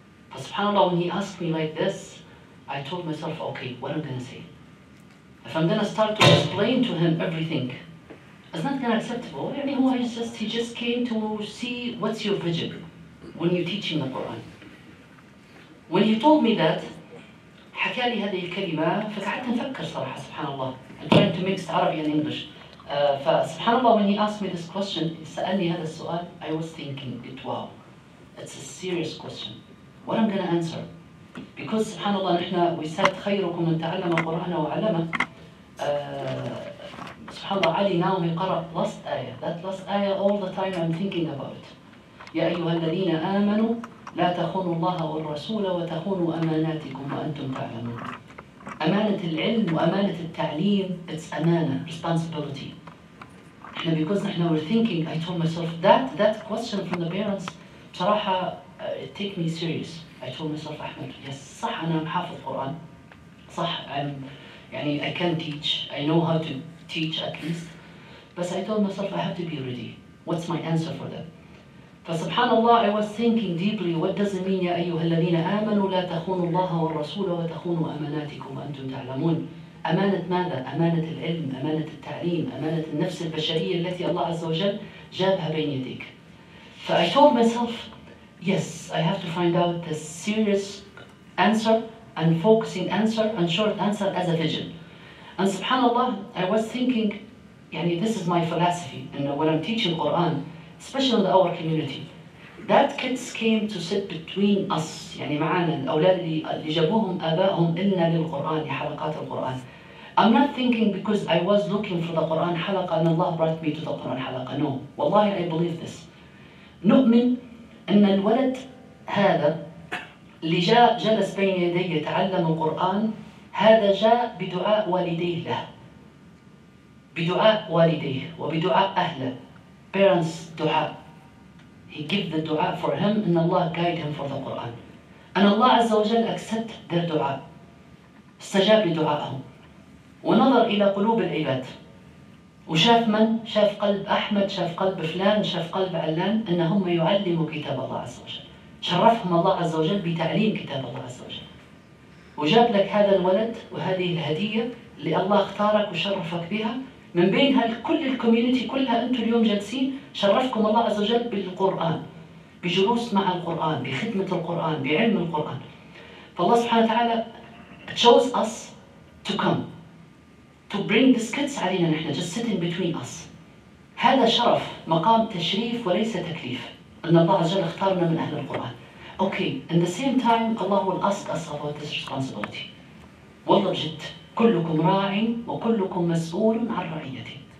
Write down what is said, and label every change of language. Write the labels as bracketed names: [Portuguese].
[English] But SubhanAllah, when he asked me like this, I told myself, okay, what I'm gonna say? If I'm gonna start to explain to him everything, it's not gonna acceptable. Anyway, he just came to see what's your vision when you're teaching the Quran. When he told me that, [Arabic] حكى لي هذه الكلمة فقعدت نفكر صراحة سبحان الله. [English] I'm trying to mix Arabic and English. [Arabic] فسبحان الله, [English] when he asked me this question, [Arabic] سألني هذا السؤال, [English] I was thinking, wow, it's a serious question. What I'm gonna answer? Because [Arabic] سبحان الله نحنا [English] we said [Arabic] خيركم من تعلم القرآن وعلمه. سبحان الله علي ناوي قرأ [English] last ayah. That last ayah all the time I'm thinking about. [Arabic] يا أيها الذين آمنوا لا تخونوا الله والرسول وتخونوا أماناتكم وأنتم تعلمون. أمانة العلم وأمانة التعليم, [English] it's [Arabic] أمانة, [English] responsibility. [Arabic] إحنا [English] because إحنا were thinking, I told myself that question from the parents, [Arabic] صراحة [English] it take me serious. I told myself, أحمد, yes, [Arabic] صح أنا محافظ القرآن, صح [English] I'm, [Arabic] يعني [English] I can teach, I know how to teach at least, but I told myself I have to be ready. What's my answer for them? [Arabic] فسبحان الله, [English] I was thinking deeply, what does it mean, [Arabic] يا أيها الذين آمنوا لا تخونوا الله والرسول وتخونوا أماناتكم وأنتم تعلمون. أمانة ماذا؟ أمانة العلم, أمانة التعليم, أمانة النفس البشرية التي الله عز وجل جابها بين يديك. [English] فI told myself, yes, I have to find out the serious answer and focusing answer and short answer as a vision. And سبحان الله, I was thinking, [Arabic] يعني [English] this is my philosophy, and when I'm teaching Quran, especially in our community, that kids came to sit between us, [Arabic] يعني معانا الأولاد اللي جابوهم آباءهم إلنا للقرآن, حلقات القرآن. [English] I'm not thinking because I was looking for the Quran حلقة [Arabic] أن الله [English] brought me to the Quran حلقة. No, [Arabic] والله [English] I believe this. [Arabic] نؤمن أن الولد هذا اللي جاء جلس بين يدي يتعلم القرآن, هذا جاء بدعاء والديه له, بدعاء والديه وبدعاء أهله. [English] Parents' dua. He give the dua for him, and Allah guide him for the Quran. And Allah Azza wa Jal accept their dua. [Arabic] استجاب لدعائهم. ونظر إلى قلوب العباد. وشاف من؟ شاف قلب أحمد, شاف قلب فلان, شاف قلب علان, أنهم يعلموا كتاب الله عز وجل. شرفهم الله عز وجل بتعليم كتاب الله عز وجل. وجاب لك هذا الولد وهذه الهدية اللي الله اختارك وشرفك بها. من بين كل الكوميونيتي كلها انتم اليوم جالسين, شرفكم الله عز وجل بالقران, بجلوس مع القران, بخدمه القران, بعلم القران. فالله سبحانه وتعالى [English] chose us to come to bring these kids [Arabic] علينا نحن, [English] just sitting between us. [Arabic] هذا شرف, مقام تشريف وليس تكليف, ان الله عز وجل اختارنا من اهل القران. [English] Okay, in the same time الله will ask us about this responsibility. [Arabic] والله بجد كلكم راعٍ وكلكم مسؤول عن رعيته.